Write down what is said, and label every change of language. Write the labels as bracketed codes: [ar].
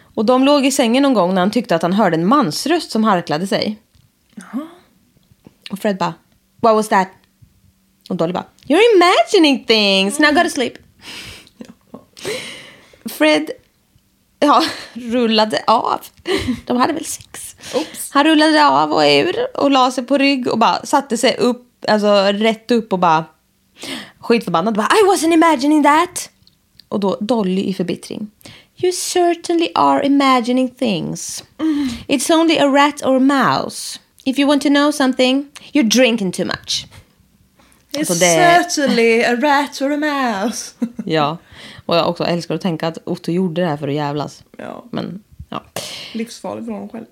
[sv] Och de låg i sängen någon gång när han tyckte att han hörde en mansröst som harklade sig. Jaha. Och Fred bara, [en] what was that? [sv] Och Dolly bara, [en] you're imagining things, now go to sleep. [sv] Jaha. Fred, ja, rullade av. De hade väl sex. Oops. Han rullade av och ur och la sig på rygg och bara satte sig upp. Alltså rätt upp och bara skitförbannad, bara, [en] I wasn't imagining that. [sv] Och då Dolly i förbittring, [en] you certainly are imagining things. It's only a rat or a mouse. If you want to know something, you're drinking too much. It's [sv] det... [en] certainly a rat or a mouse. [sv] Ja. Och jag också älskar att tänka att Otto gjorde det här för att jävlas. Ja. Men ja, livsfarligt för honom själv.